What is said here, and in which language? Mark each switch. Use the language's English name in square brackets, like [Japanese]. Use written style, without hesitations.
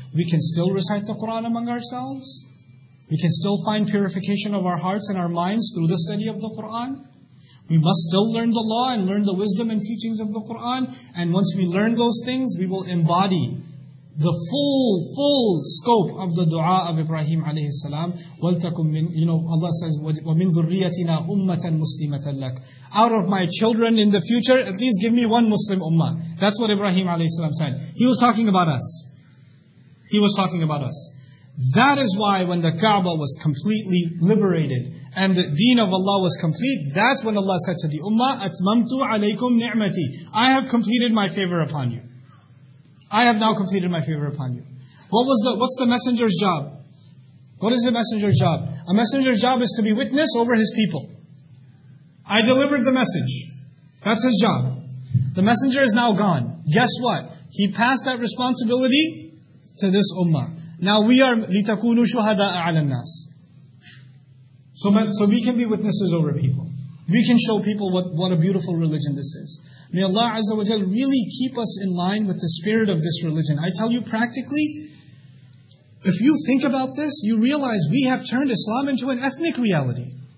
[English] We can still recite the Qur'an among ourselves. We can still find purification of our hearts and our minds through the study of the Qur'an. We must still learn the law and learn the wisdom and teachings of the Qur'an. And once we learn those things, we will embody the full scope of the dua of Ibrahim alayhi salam. [Arabic] وَلْتَكُمْ مِنْ [English] You know, Allah says, [Arabic] وَمِنْ ذُرِّيَّتِنَا أُمَّةً مُسْلِمَةً لَكَ. [English] Out of my children in the future, at least give me one Muslim ummah. That's what Ibrahim alayhi salam said. He was talking about us. He was talking about us. That is why when the Kaaba was completely liberated and the deen of Allah was complete, that's when Allah said to the ummah, [Arabic] أَتْمَمْتُ عَلَيْكُمْ نِعْمَتِي. [English] I have completed my favor upon you. I have now completed my favor upon you. What's the messenger's job? What is the messenger's job? A messenger's job is to be witness over his people. I delivered the message. That's his job. The messenger is now gone. Guess what? He passed that responsibility to this ummah. Now we are [Arabic] لِتَكُونُوا شُهَدَاءَ عَلَى النَّاسِ. [English] So we can be witnesses over people. We can show people what a beautiful religion this is. May Allah Azza wa Jal really keep us in line with the spirit of this religion. I tell you practically, if you think about this, you realize we have turned Islam into an ethnic reality.